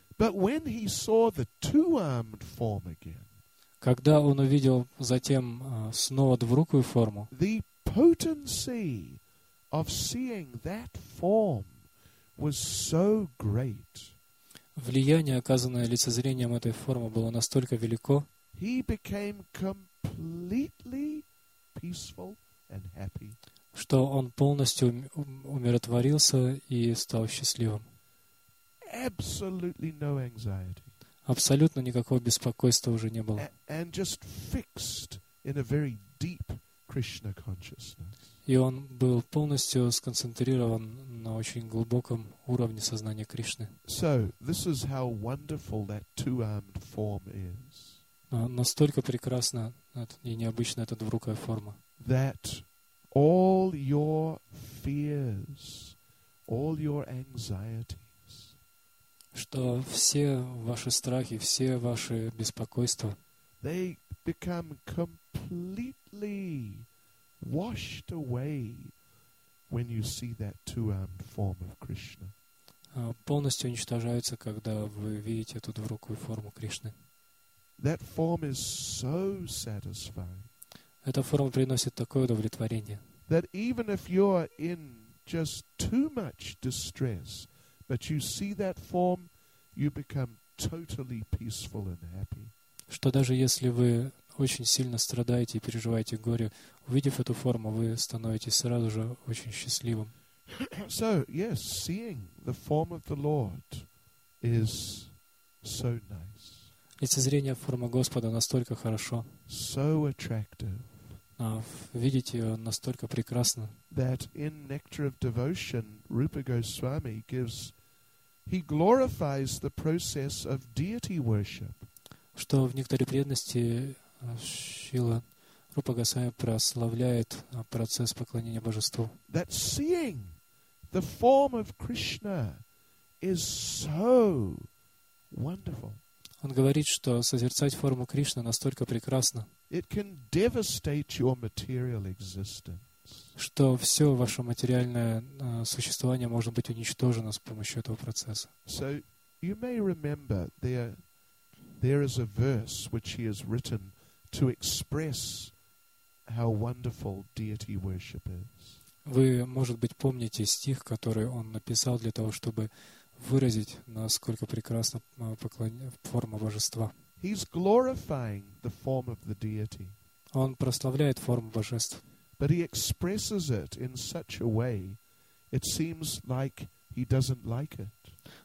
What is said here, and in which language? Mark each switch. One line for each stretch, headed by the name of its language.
English: But when he saw the two-armed form again.
Russian: Когда он увидел затем снова двурукую форму.
English: The potency of seeing that form was so great.
Russian: Влияние, оказанное лицезрением этой формы, было настолько велико.
English: He became completely peaceful and happy.
Russian: Что он полностью умиротворился и стал счастливым.
English: Absolutely no anxiety.
Russian: Абсолютно никакого беспокойства уже не было.
English: And just fixed in a very deep Krishna consciousness.
Russian: И он был полностью сконцентрирован на очень глубоком уровне сознания Кришны.
English: So, this is how wonderful that two-armed form is.
Russian: Настолько прекрасна и необычна эта двурукая форма.
English: That all your fears, all your anxieties,
Russian: что все ваши страхи, все ваши беспокойства,
English: they become completely washed away when you see that two-armed form of Krishna.
Russian: Полностью уничтожается, когда вы видите эту двурукую форму Кришны.
English: That form is so satisfying.
Russian: Эта форма приносит такое удовлетворение.
English: That even if you're in just too much distress, but you see that form, you become totally peaceful and happy.
Russian: Что даже если вы очень сильно страдаете и переживаете горе, увидев эту форму, вы становитесь сразу же очень счастливым.
English: So, yes, seeing the form of the Lord is so nice.
Russian: Лицезрение формы Господа настолько хорошо.
English: So attractive.
Russian: Видеть ее настолько прекрасно.
English: That in Nectar of Devotion, Rupa Goswami gives, he glorifies the process of deity worship.
Russian: Что в Нектаре преданности Шрила Рупа Госвами прославляет процесс поклонения Божеству.
English: That seeing the form of Krishna is so wonderful.
Russian: Он говорит, что созерцать форму Кришны настолько прекрасно.
English: It can devastate your material existence.
Russian: Что все ваше материальное существование может быть уничтожено с помощью этого процесса.
English: So you may remember there is a verse which he has written to express how wonderful deity worship is.
Russian: Вы, может быть, помните стих, который он написал для того, чтобы выразить, насколько прекрасна форма божества.
English: He's glorifying the form of the deity.
Russian: Он прославляет форму божества.
English: But he expresses it in such a way, it seems like he doesn't like it.